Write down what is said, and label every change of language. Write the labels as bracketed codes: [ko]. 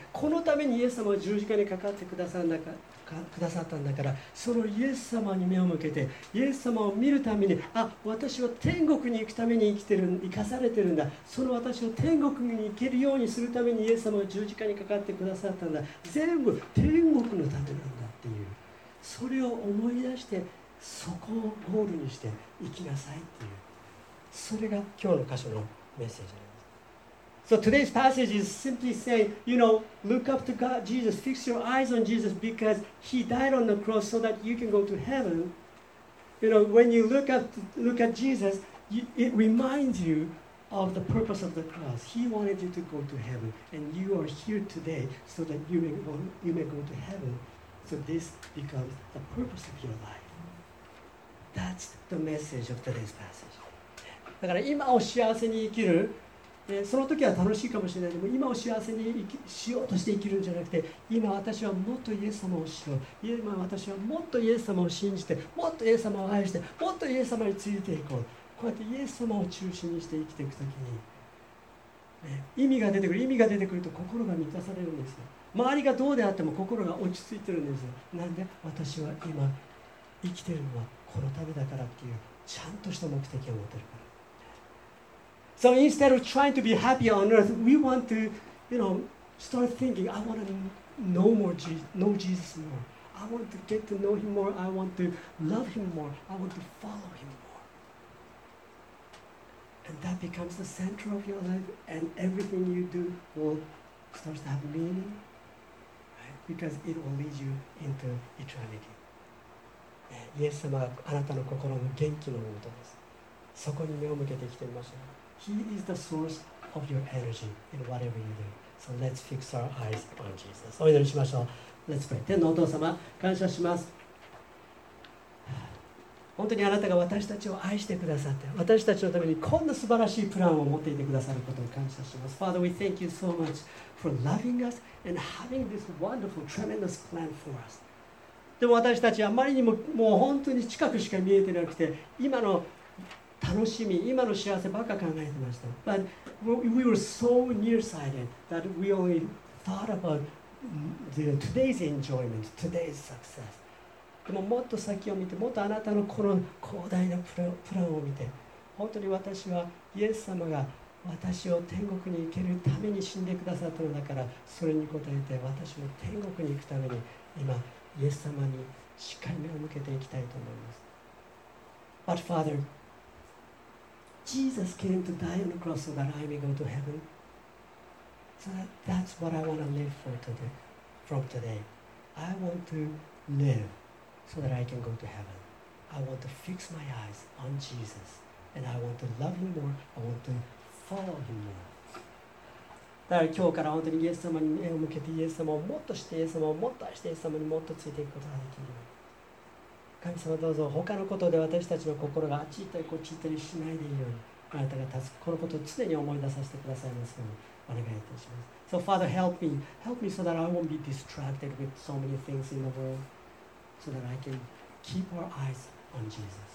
[ja] このためにイエス様は十字架にかかってくださるんだから。くださったんだから、そのイエス様に目を向けて、イエス様を見るために、あ、私は天国に行くために生きてる、生かされてるんだ、その私を天国に行けるようにするためにイエス様は十字架にかかってくださったんだ、全部天国のためなんだっていう、それを思い出して、そこをゴールにして生きなさいっていう、それが今日の箇所のメッセージです。 [en] So today's passage is simply saying, you know, look up to God, Jesus, fix your eyes on Jesus because he died on the cross so that you can go to heaven. You know, when you look at Jesus, it reminds you of the purpose of the cross. He wanted you to go to heaven and you are here today so that you may go to heaven. So this becomes the purpose of your life. That's the message of today's passage. [ja] だから今を幸せに生きる、その時は楽しいかもしれない。でも今を幸せにしようとして生きるんじゃなくて、今私はもっとイエス様を知ろう、今私はもっとイエス様を信じて、もっとイエス様を愛して、もっとイエス様についていこう、こうやってイエス様を中心にして生きていくときに、ね、意味が出てくると心が満たされるんですよ。周りがどうであっても心が落ち着いてるんですよ。なんで私は今生きてるのはこのためだからっていう、ちゃんとした目的を持ってるから。 [en] So instead of trying to be happy on earth, we want to, you know, start thinking, I want to know Jesus more. I want to get to know him more. I want to love him more. I want to follow him more. And that becomes the center of your life, and everything you do will start to have meaning, right? Because it will lead you into eternity. [ja] イエス様はあなたの心の元気の源です。そこに目を向けて生きてみましょう。 [en] He is the source of your energy in whatever you do. So let's fix our eyes on Jesus. [ja] お祈りしましょう。 [en] Let's pray. [ja] 天のお父様、感謝します。本当にあなたが私たちを愛してくださって、私たちのためにこんな素晴らしいプランを持っていてくださることを感謝します。 [en] Father, we thank you so much for loving us and having this wonderful, tremendous plan for us. [ja] でも私たちあまりにももう本当に近くしか見えてなくて、今の楽しみ、今の幸せばっか考えてました。 [en] But we were so nearsighted that we only thought about today's enjoyment, today's success. [ja] でももっと先を見て、もっとあなたのこの広大なプランを見て、本当に私はイエス様が私を天国に行けるために死んでくださったのだから、それに応えて私も天国に行くために今イエス様にしっかり目を向けていきたいと思います。 [en] But Father,Jesus came to die on the cross so that I may go to heaven. So that's what I want to live for today, from today. I want to live so that I can go to heaven. I want to fix my eyes on Jesus. And I want to love him more. I want to follow him more. [ja] だから今日から本当にイエス様に目を向けてイエス様をもっとしてイエス様をもっと愛してイエス様にもっとついていくことができる。神様どうぞ他のことで私たちの心があっち行ったりこっち行ったりしないでいいように。あなたが助けこのことを常に思い出させてくださいますようにお願いいたします。 [en] So Father help me. Help me so that I won't be distracted with so many things in the world. So that I can keep our eyes on Jesus.